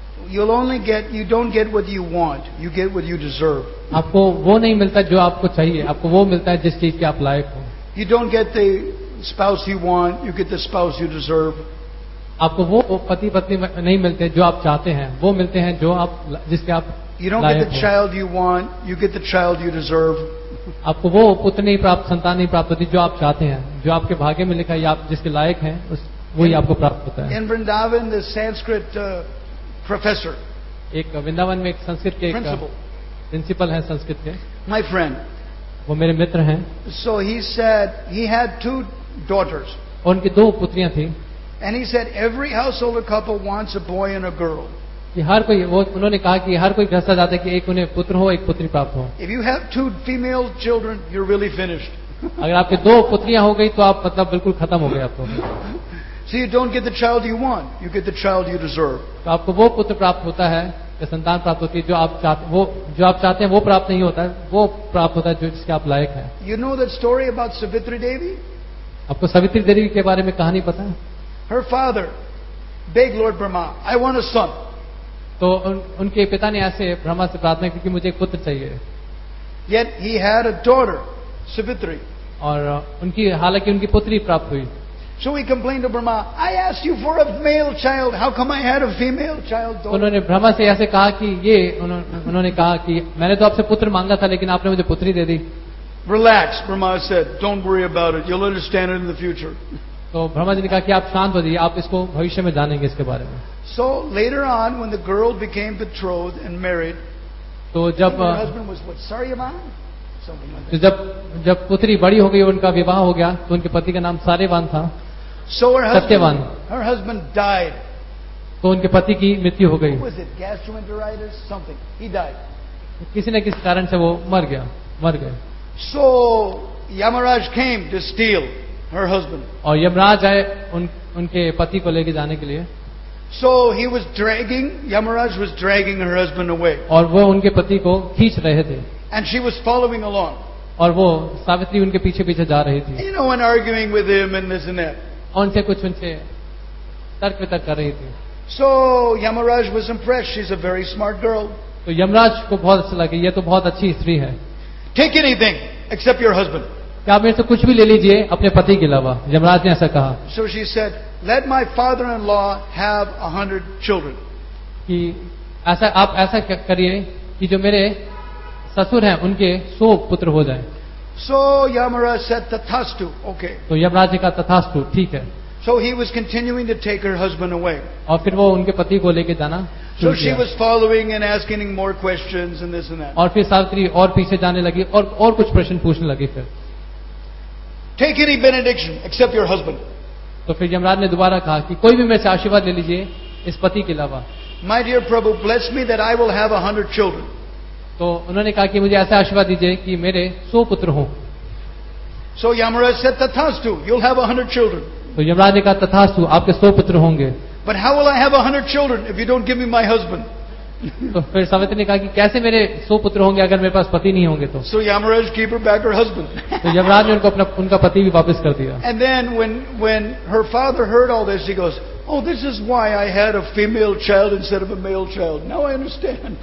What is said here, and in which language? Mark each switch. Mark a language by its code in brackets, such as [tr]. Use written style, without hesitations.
[en] You'll only get, you don't get what you want, you get what you deserve. [hi] आपको वो नहीं मिलता जो आपको चाहिए, आपको वो मिलता है जिस चीज के आप लायक हो. [en] You don't get the spouse you want, you get the spouse you deserve. [hi] आपको वो पति पत्नी नहीं मिलते जो आप चाहते हैं, वो मिलते हैं जो आप जिसके आप. [en] You don't get the child you want, you get the child you deserve. [hi] आपको वो पुत्र नहीं प्राप्त, संतान नहीं प्राप्त होती जो आप चाहते हैं, जो आपके भाग्य में लिखा है या आप जिसके लायक हैं वही आपको प्राप्त होता है. [en] In Vrindavan, the Sanskrit professor. [hi] एक वृंदावन में एक संस्कृत के प्रिंसिपल है संस्कृत के. [en] My friend. [hi] वो मेरे मित्र हैं. [en] So he said he had two daughters. [hi] और उनकी दो पुत्रियां थी. [en] And he said every household couple wants a boy and a girl. [hi] हर कोई वो उन्होंने कहा कि हर कोई घसा जाता है कि एक उन्हें पुत्र हो एक पुत्री प्राप्त हो. [en] If you have two female children, you're really finished. [hi] अगर आपके दो पुत्रियां हो गई तो आप मतलब बिल्कुल खत्म हो गए आपको. [en] So you don't get the child you want, you get the child you deserve. [hi] तो आपको वो पुत्र प्राप्त होता है या संतान प्राप्त होती है जो आप चाहते, वो जो आप चाहते हैं वो प्राप्त नहीं होता है, वो प्राप्त होता है जो जिसके आप लायक है. [en] You know that story about Savitri Devi? [hi] आपको सावित्री देवी के बारे में कहानी पता है? [en] Her father begged Lord Brahma, I want a son. [hi] तो उनके पिता ने ऐसे ब्रह्मा से प्रार्थना की कि मुझे एक पुत्र चाहिए. [en] Yet he had a daughter, Savitri. [hi] और उनकी हालांकि उनकी पुत्री प्राप्त हुई. [en] So he complained to Brahma, I asked you for a male child, how come I had a female child daughter? [hi] उन्होंने ब्रह्मा से ऐसे कहा कि ये उन्होंने कहा कि मैंने तो आपसे पुत्र मांगा था लेकिन आपने मुझे पुत्री दे दी. [en] Relax, Brahma said, don't worry about it, you'll understand it in the future. [hi] तो ब्रह्मा जी ने कहा कि आप शांत हो जाइए, आप इसको भविष्य में जानेंगे इसके बारे में. [en] So later on, when the girl became betrothed and married, [hi] तो जब [en] husband was what, Saryavan? [hi] तो जब जब पुत्री बड़ी हो गई उनका विवाह हो गया तो उनके पति का नाम सार्यवान था. [en] So her husband, [hi] Satyavan. [en] Her husband died. [hi] तो उनके पति की मृत्यु हो गई. [en] Was it gastroenteritis? Something. He died. [hi] किसी न किसी कारण से वो मर गया, मर गए. [en] So Yamaraj came to steal her husband. [hi] और यमराज आए उनके पति को लेके जाने के लिए. [en] So he was dragging, Yamaraj was dragging her husband away. [hi] और वो उनके पति को खींच रहे थे. [en] And she was following along. [hi] और वो सावित्री उनके पीछे पीछे जा रही थी. [en] You know, and arguing with him and this and that. [hi] और उनसे कुछ उनसे तर्क वितर्क कर रही थी. [en] So Yamaraj was impressed. She's a very smart girl. [hi] तो यमराज को बहुत अच्छा लगा, ये तो बहुत अच्छी स्त्री है. [en] Take anything except your husband. [hi] क्या आप मेरे से कुछ भी ले लीजिए अपने पति के अलावा, यमराज ने ऐसा कहा. [en] So she said, let my father-in-law have 100 children. [hi] कि ऐसा आप ऐसा करिए कि जो मेरे ससुर हैं उनके 100 पुत्र हो जाएं. [en] So Yamaraj said, tathastu, okay. [hi] तो यमराज ने कहा तथास्तु, ठीक है. [en] So he was continuing to take her husband away. [hi] और फिर वो उनके पति को लेके जाना. [en] So she was following and asking more questions and this and that. [hi] और फिर सावित्री और पीछे जाने लगी और कुछ प्रश्न पूछने लगी. फिर [en] take any benediction except your husband. [hi] तो फिर यमराज ने दोबारा कहा कि कोई भी मेरे से आशीर्वाद ले लीजिए इस पति के अलावा. [en] My dear Prabhu, bless me that I will have 100 children. [hi] तो उन्होंने कहा कि मुझे ऐसा आशीर्वाद दीजिए कि मेरे 100 पुत्र हों. [en] So Yamaraj said, tathastu, you'll have 100 children. [hi] तो यमराज ने कहा तथास्तु, आपके 100 पुत्र होंगे. [en] But how will I have 100 children if you don't give me my husband? [hi] तो फिर सावित्री ने कहा कि कैसे मेरे 100 पुत्र होंगे अगर मेरे पास पति नहीं होंगे. तो [en] So Yamraj give her back her husband. [hi] तो यमराज ने उनको अपना उनका पति भी वापस कर दिया. [en] And then when her father heard all this he goes, oh this is why I had a female child instead of a male child, now I understand.